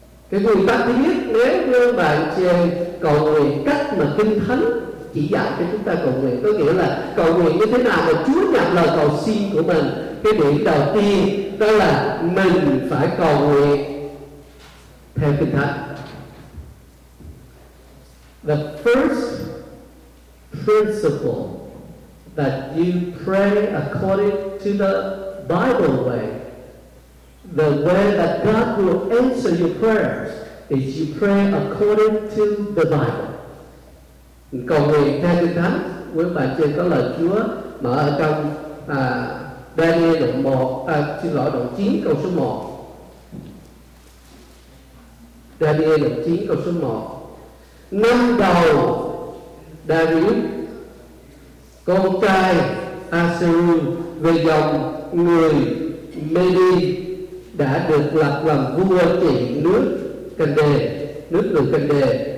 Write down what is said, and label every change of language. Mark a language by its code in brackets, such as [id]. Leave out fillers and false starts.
[vi] Cái nguyên tắc thứ nhất, nếu như bạn chơi cầu nguyện cách mà Kinh Thánh chỉ dạy cho chúng ta cầu nguyện, có nghĩa là cầu nguyện như thế nào mà Chúa nhận lời cầu xin của mình. Cái điểm đầu tiên đó là mình phải cầu nguyện theo Kinh Thánh. [en] The first principle that you pray according to the Bible way, the way that God will answer your prayers, is you pray according to the Bible. [vi] Cầu nguyện theo Kinh Thánh, quý bạn trên có lời Chúa mở ở trong Daniel đoạn 1, xin lỗi đoạn 9 câu số 1. Daniel đoạn 9 câu số 1. Năm đầu Daniel, con trai Assyrus về dòng người Medi đã được lập làm vua trị nước Kandê, nước người Kandê.